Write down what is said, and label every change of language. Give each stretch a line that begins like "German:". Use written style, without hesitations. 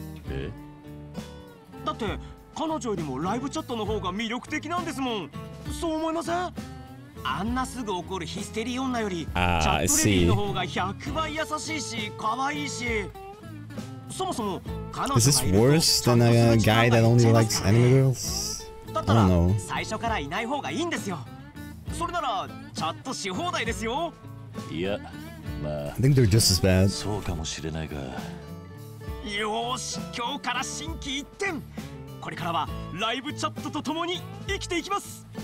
Japanese: え？だって彼女よりもライブチャットの方が魅力的なんですもん。そう思いません？あんなすぐ怒るヒステリー女よりチャットレビーの方が100倍優しいし可愛いし。そもそも彼女がいると。
English: Is this worse than a guy that only likes anime girls? I don't know.
Japanese: 最初からいない方がいいんですよ。それならチャットし放題ですよ。いや、まあ、
English: I think they're just as bad.
Japanese: そうかもしれないが。よし、今日から心機一転、これからはライブチャットと共に生きていきます。